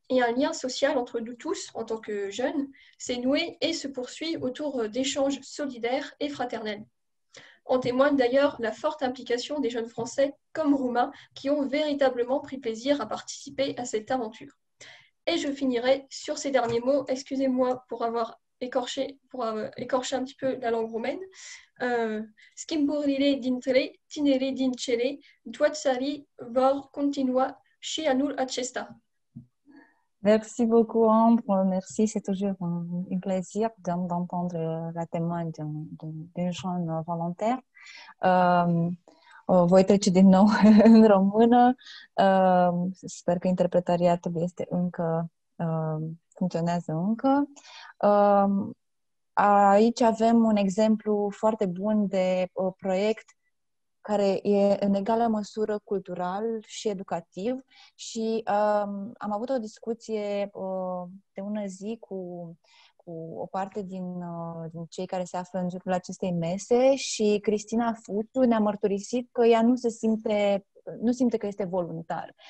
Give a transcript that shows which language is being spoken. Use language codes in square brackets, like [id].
[fr] Et un lien social entre nous tous, en tant que jeunes, s'est noué et se poursuit autour d'échanges solidaires et fraternels. En témoigne d'ailleurs la forte implication des jeunes français comme roumains qui ont véritablement pris plaisir à participer à cette aventure. Et je finirai sur ces derniers mots. Excusez-moi pour avoir écorcher, pour écorcher un petit peu la langue roumaine. [ro] Schimburile dintre, tinere dincere, duatsari vor continua și anul acesta. [fr] Merci beaucoup, Ambre. Merci, c'est toujours un plaisir d'entendre la témoin d'un jeune volontaire. [ro] Voi trece din nou în română. Sper că interpretariatul este încă, funcționează încă. Aici avem un exemplu foarte bun de proiect care e în egală măsură cultural și educativ și am avut o discuție de ună zi cu o parte din cei care se află în jurul acestei mese și Cristina Fuciu ne-a mărturisit că ea nu simte că este voluntar.